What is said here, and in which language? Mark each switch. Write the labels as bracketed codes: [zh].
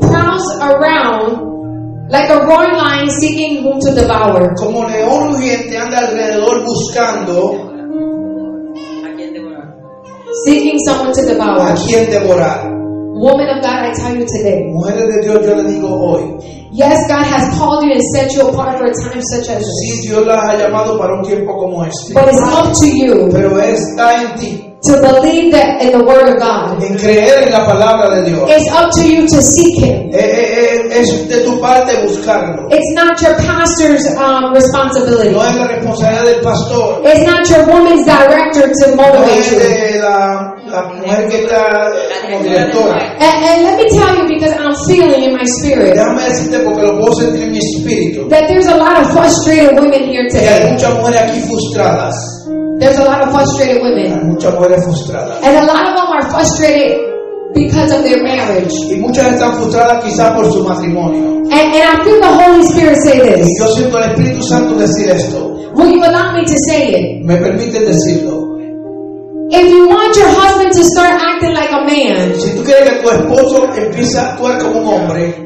[en] prowls around like a roaring lion seeking whom to devour. [es] Como león rugiente anda alrededor buscando, [en] seeking someone to devour. [es] A quien devorar. [en] Woman of God, I tell you today. [es] Mujeres de Dios, yo le digo hoy. [en] Yes, God has called you and set you apart for a time such as this. [es] Sí, Dios las ha llamado para un tiempo como este. [en] But it's up to you. [es] Pero está en ti. [en] To believe that in the word of God. [es] En creer en la palabra de Dios. [en] It's up to you to seek him. [es] Es de tu parte buscarlo. [en] It's not your pastor's responsibility. [es] No es la responsabilidad del pastor. [en] It's not your woman's director to motivate you. [es] No es de la mujer que está como directora. [en] And let me tell you, because I'm feeling in my spirit. [es] Déjame decirte porque lo puedo sentir en mi espíritu. [en] That there's a lot of frustrated women here today. [es] Que hay muchas mujeres aquí frustradas. [en] There's a lot of frustrated women. And a lot of them are frustrated because of their marriage. [es] Y muchas están frustradas quizás por su matrimonio. [en] And I feel the Holy Spirit say this. [es] Y yo siento el Espíritu Santo decir esto. [en] Will you allow me to say it? [es] Me permite decirlo. [en] If you want your husband to start acting like a man, [es] si tú quieres que tu esposo empiece a actuar como un hombre,